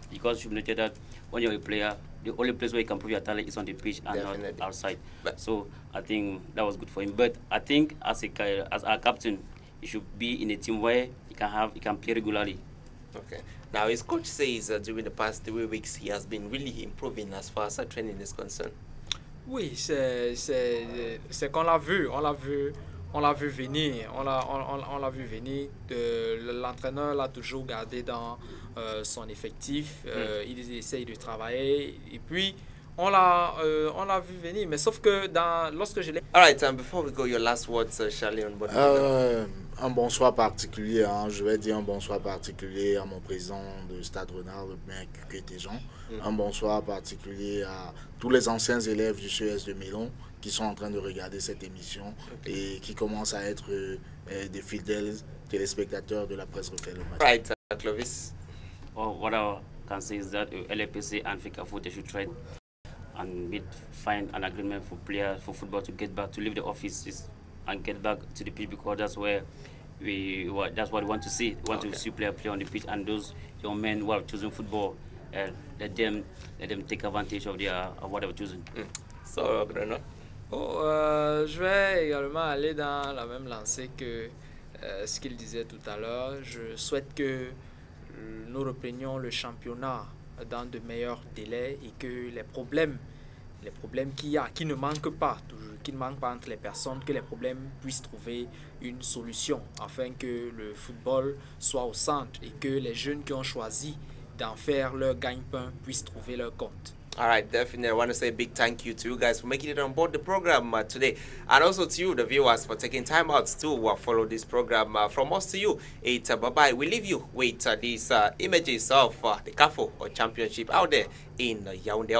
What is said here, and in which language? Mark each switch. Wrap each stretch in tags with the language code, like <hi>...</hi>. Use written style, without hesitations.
<en>Because you noted that when you're a player, the only place where you can prove your talent is on the pitch and definitely not outside. But so I think that was good for him. But I think as a captain, he should be in a team where he can play regularly. Okay. Now his coach says that during the past 3 weeks he has been really improving as far as training is concerned.</en> <fr>Oui, c'est qu'on l'a vu, on l'a vu venir. L'entraîneur l'a toujours gardé dans son effectif. Il essaye de travailler et puis on l'a vu venir. Mais sauf que lorsque je l'ai.</fr> <en>All right, and before we go, your last words, Charlie, on</en> <fr>Bonnie. Un bonsoir particulier, hein. Je vais dire un bonsoir particulier à mon président de Stade Renard, le maire Kukete Jean. Un bonsoir particulier à tous les anciens élèves du CES de Milan qui sont en train de regarder cette émission et qui commencent à être des fidèles téléspectateurs de la presse refait le match.</fr> <en>Right, Clovis. Well, what I can say is that LAPC and FICA Foot should try and find an agreement for players for football to get back to leave the offices and get back to the pitch, because that's where that's what we want to see. To see players play on the pitch, and those young men who have chosen football, let them take advantage of their what they've chosen. So, Bruno.</en> <fr>Je vais également aller dans la même lancée que ce qu'il disait tout à l'heure. Je souhaite que nous reprenions le championnat dans de meilleurs délais et que les problèmes qu'il y a, qui ne manquent pas toujours, qu'il ne manque pas entre les personnes, que les problèmes puissent trouver une solution afin que le football soit au centre et que les jeunes qui ont choisi d'en faire leur gagne-pain puissent trouver leur compte.</fr> <en>All right, definitely. I want to say a big thank you to you guys for making it on board the program today. And also to you, the viewers, for taking time out to follow this program. From us to you, it's bye-bye. We leave you with these images of the CAFO Championship out there in Yaoundé.</en>